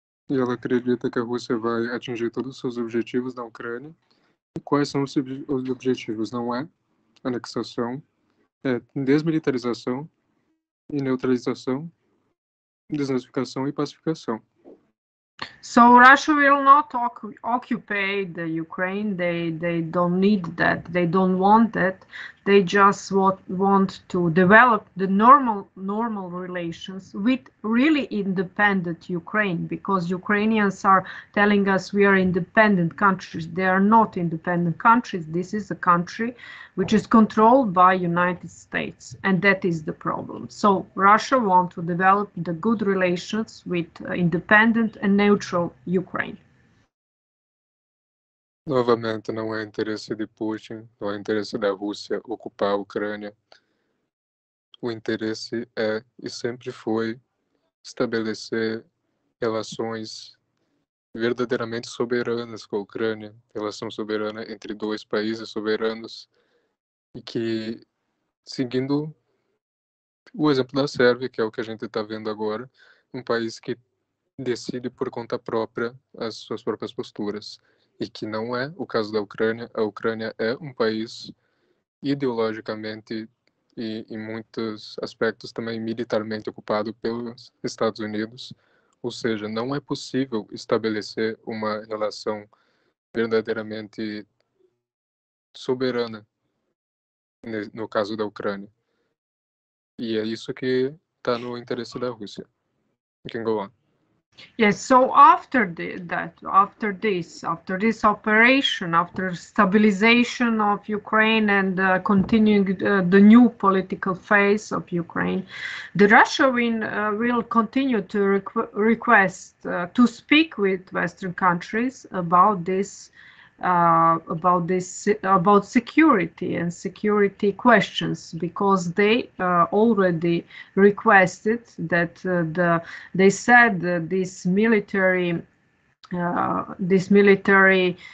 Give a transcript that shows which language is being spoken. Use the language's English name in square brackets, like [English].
[Portuguese] E ela acredita que a Rússia vai atingir todos os seus objetivos na Ucrânia. E quais são os objetivos? Não é anexação, é desmilitarização e neutralização, desnazificação e pacificação. [English] So Russia will not occupy the Ukraine. They don't need that. They don't want that. They just want to develop the normal relations with really independent Ukraine, because Ukrainians are telling us we are independent countries. They are not independent countries. This is a country which is controlled by United States, and that is the problem. So Russia wants to develop the good relations with independent and neutral Ukraine. [Portuguese] Novamente, não é interesse de Putin, não é interesse da Rússia ocupar a Ucrânia. O interesse é, e sempre foi, estabelecer relações verdadeiramente soberanas com a Ucrânia, relação soberana entre dois países soberanos, e que, seguindo o exemplo da Sérvia, que é o que a gente está vendo agora, um país que decide por conta própria as suas próprias posturas. E que não é o caso da Ucrânia. A Ucrânia é um país ideologicamente e em muitos aspectos também militarmente ocupado pelos Estados Unidos. Ou seja, não é possível estabelecer uma relação verdadeiramente soberana no caso da Ucrânia. E é isso que está no interesse da Rússia. [English] You can go on. Yes, so after this operation, after stabilization of Ukraine and continuing the new political phase of Ukraine, the Russia will continue to request to speak with Western countries about security and security questions, because they already requested that they said that this military